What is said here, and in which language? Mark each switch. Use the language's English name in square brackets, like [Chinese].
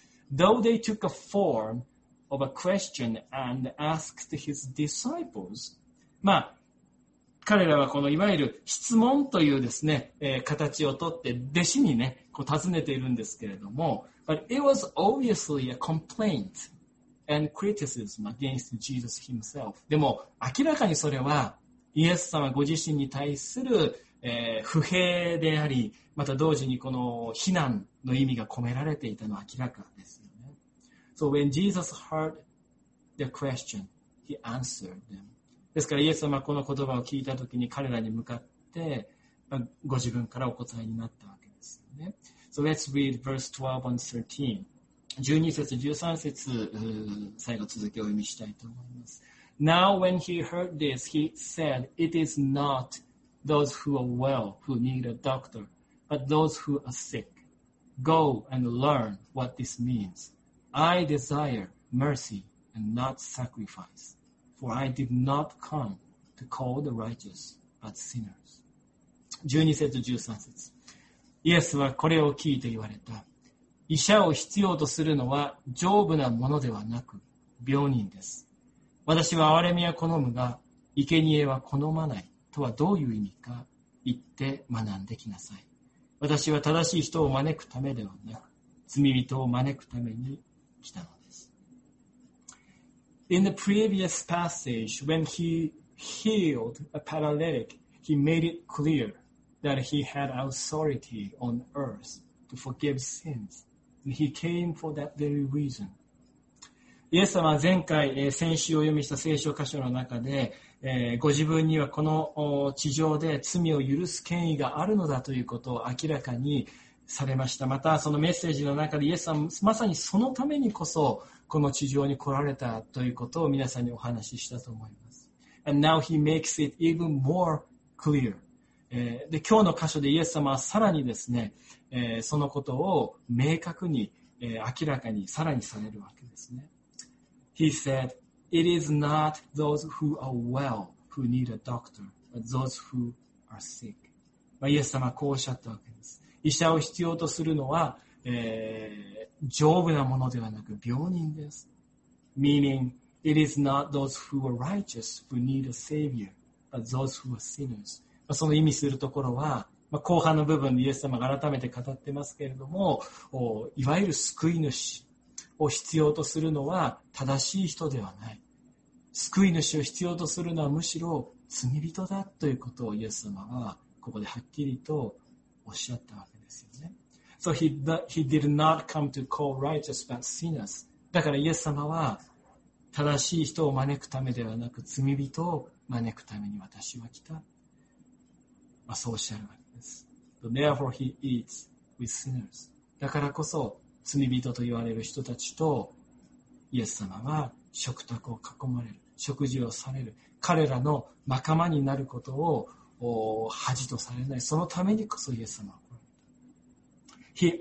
[English] Though they took a form of a question and asked his disciples, [Japanese] まあ彼らはこのいわゆる質問というですね、形をとって弟子にね、こう尋ねているんですけれども、 [English] But it was obviously a complaint and criticism against Jesus himself. [Japanese] でも明らかにそれはイエス様ご自身に対する、不平であり、また同時にこの非難の意味が込められていたのは明らかですよね。 [English] So when Jesus heard the question, he answered them. [Japanese] ですからイエス様はこの言葉を聞いたときに彼らに向かってご自分からお答えになったわけですよね。 [English] So let's read verse 12 and 13. [Japanese] 12節13節最後続きを読みしたいと思います。 [English] Now when he heard this, he said, It is not those who are well who need a doctor, but those who are sick. Go and learn what this means. I desire mercy and not sacrifice. For I did not come to call the righteous, but sinners. [Japanese] 12節と13節。イエスはこれを聞いて言われた。医者を必要とするのは丈夫なものではなく病人です。私は憐れみは好むが、生贄は好まないとはどういう意味か言って学んできなさい。私は正しい人を招くためではなく、罪人を招くために来たのです。 [English] In the previous passage, when he healed a paralytic, he made it clear that he had authority on earth to forgive sins. And he came for that very reason. [Japanese] イエス様は前回、先週お読みした聖書箇所の中で、ご自分にはこの地上で罪を許す権威があるのだということを明らかにされました。またそのメッセージの中でイエス様はまさにそのためにこそこの地上に来られたということを皆さんにお話ししたと思います。 [English] And now he makes it even more clear. [Japanese] で今日の箇所でイエス様はさらにですね、そのことを明確に、明らかにさらにされるわけですね。 [English] He said, It is not those who are well who need a doctor, but those who are sick.、 [Japanese] まあ、イエス様はこうおっしゃったわけです。医者を必要とするのは丈夫なものではなく病人です。 [English] Meaning, it is not those who are righteous who need a savior, but those who are sinners. [Japanese] その意味するところは、まあ、後半の部分でイエス様が改めて語ってますけれども、いわゆる救い主を必要とするのは正しい人ではない。救い主を必要とするのはむしろ罪人だということをイエス様はここではっきりとおっしゃったわけですよね。 [English] So he did not come to call righteous but sinners. [Japanese] だからイエス様は正しい人を招くためではなく罪人を招くために私は来た。まあ、そうおっしゃるわけです。 [English] So therefore he eats with sinners. [Japanese] だからこそ罪人と言われる人たちとイエス様は食卓を囲まれる、食事をされる、彼らの仲間になることを恥とされない、そのためにこそイエス様は来られた。